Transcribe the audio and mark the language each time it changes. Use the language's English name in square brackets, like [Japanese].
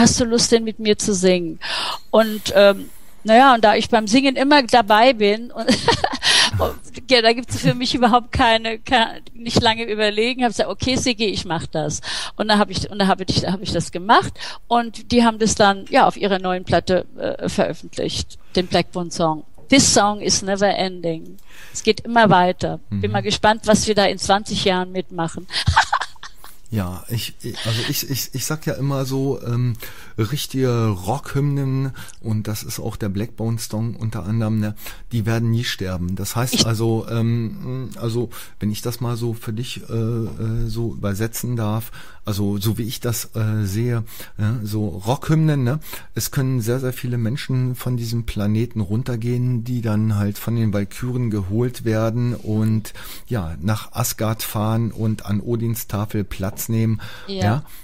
[German] Hast du Lust, den mit mir zu singen? Und und da ich beim Singen immer dabei bin, und ja, da gibt's für mich überhaupt nicht lange überlegen. Habe gesagt, okay, Sigi, ich mach das. Und dann habe ich das gemacht. Und die haben das dann ja auf ihrer neuen Platte veröffentlicht, den Blackbone Song. [English] This song is never ending. [German] Es geht immer weiter. Bin mal gespannt, was wir da in 20 Jahren mitmachen. Ja, ich sag ja immer so, richtige Rockhymnen, und das ist auch der Blackbone Song unter anderem, ne, die werden nie sterben. Das heißt also, wenn ich das mal so für dich so übersetzen darf, also so wie ich das sehe, ja, so Rockhymnen, ne, es können sehr, sehr viele Menschen von diesem Planeten runtergehen, die dann halt von den Walküren geholt werden und ja, nach Asgard fahren und an Odins Tafel Platz nehmen. Ja. Ja.